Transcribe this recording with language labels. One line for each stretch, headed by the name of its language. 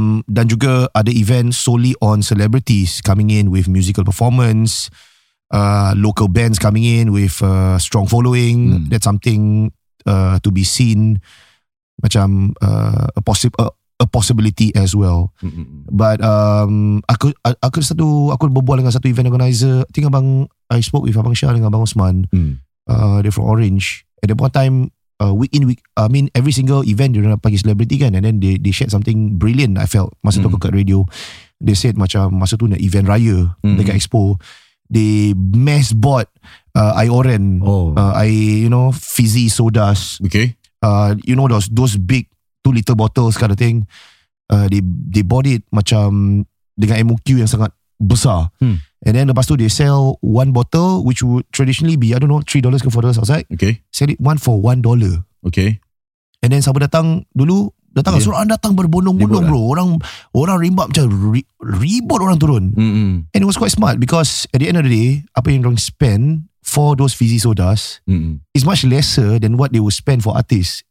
Malay: Dan juga ada
English: event solely on celebrities coming in with musical performance, local bands coming in with strong following. That's something to be seen,
Malay: macam
English: a possibility as well. But
Malay: aku satu, aku berbual dengan satu event organizer.
English: I think abang, I spoke with abang Syah
Malay: dengan
English: abang Osman. They're from Orange. At that point time, week in, every single event
Malay: dia nak panggil
English: celebrity
Malay: kan,
English: and then they shared something brilliant. I felt
Malay: masa tu kat radio,
English: they said
Malay: macam masa tu nak
English: event
Malay: raya dekat
English: expo, they mass bought Ioran, you know, fizzy sodas. Okay. You know those big 2-liter bottles kind of thing. They bought it
Malay: macam dengan MOQ yang sangat besar.
English: And then
Malay: lepas tu
English: they sell one bottle which would traditionally be, I don't know, $3
Malay: ke
English: $4 outside. Okay. Sell it one for $1. Okay. And then
Malay: siapa datang dulu, datang suruh orang datang berbondong-bondong bro. Orang rimbab macam ribut orang turun.
English: And it was quite smart because at the end of the day,
Malay: apa yang orang
English: spend for those fizzy sodas is much lesser than what they would spend for artists.